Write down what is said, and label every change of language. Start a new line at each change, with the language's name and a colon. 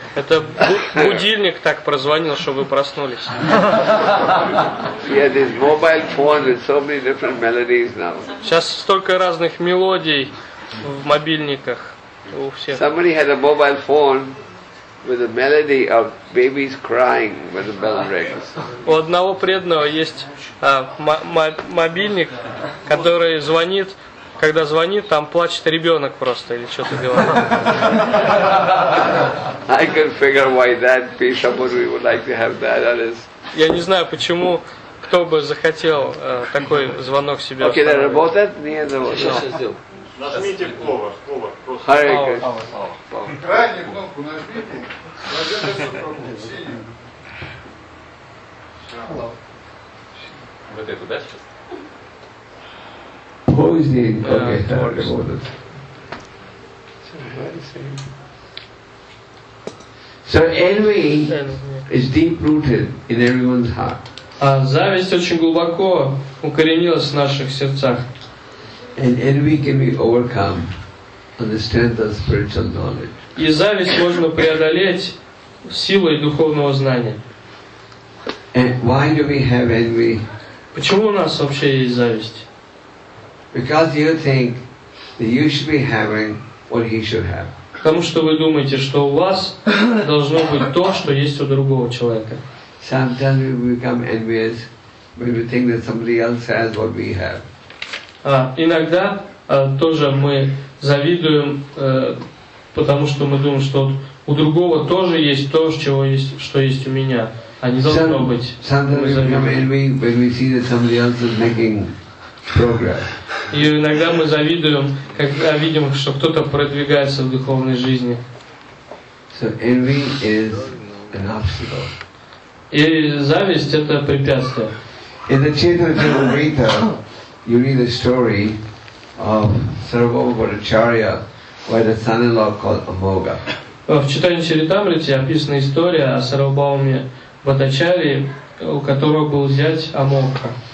Russian: Это будильник так прозвонил, чтобы вы проснулись.
English: Yeah, this mobile phone with so many different melodies now.
Russian: Сейчас столько разных мелодий в мобильниках у всех.
English: Somebody had a mobile phone with a melody of babies crying when the bell rings.
Russian: У одного преданного есть мобильник, который звонит. Когда звонит, там плачет ребенок просто или что-то делает.
English: I can figure why that piece of music would like to have that. That is.
Russian: Я не знаю, почему кто бы захотел такой звонок себе.
English: Okay, that
Russian: работает? Нет, не работает. Сейчас сделаю. Нажмите повар. Повар. Крайнюю кнопку нажмите. Вот это, да, сейчас?
English: Who is the okay, yeah, the order. So envy is deep rooted in everyone's heart.
Russian: Зависть очень глубоко укоренилась в наших сердцах.
English: And envy can be overcome on the strength of spiritual knowledge.
Russian: И зависть можно преодолеть силой духовного знания.
English: And why do we have envy?
Russian: Почему у нас вообще есть зависть?
English: Because you think that you should be having what he should have.
Russian: Потому что вы думаете, что у вас должно быть то, что есть у другого человека.
English: Sometimes we become envious when we think that somebody else has what we have.
Russian: Иногда тоже мы завидуем, потому что мы думаем, что у другого тоже есть то, что есть у меня. А не должно быть.
English: Sometimes we become envious when we see that somebody else is making progress.
Russian: И иногда мы завидуем, когда видим, что кто-то продвигается в духовной жизни.
English: So envy is an obstacle.
Russian: И зависть — это препятствие.
English: In the Chaitanya Charitamrita, you read the story of Sarvabhauma Bhattacharya, where the son-in-law called Amoga.
Russian: В Чайтанья Чаритамрите описана история о Сарвабхауме Бхаттачарье, у которого был зять Амога.